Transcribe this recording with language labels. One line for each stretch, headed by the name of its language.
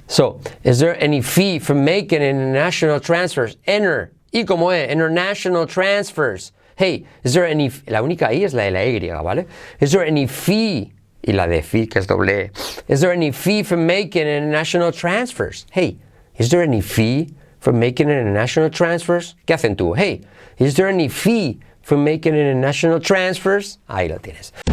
English: So, is there any fee for making international transfers?
Spanish: Y como es,
English: international transfers. Hey, is there any,
Spanish: la única I es la de la Y, ¿vale?
English: Is there any fee?
Spanish: Y la de fee, que es doble.
English: Is there any fee for making international transfers? Hey, is there any fee for making international transfers?
Spanish: ¿Qué hacen tú?
English: Hey, is there any fee for making international transfers?
Spanish: Ahí lo tienes.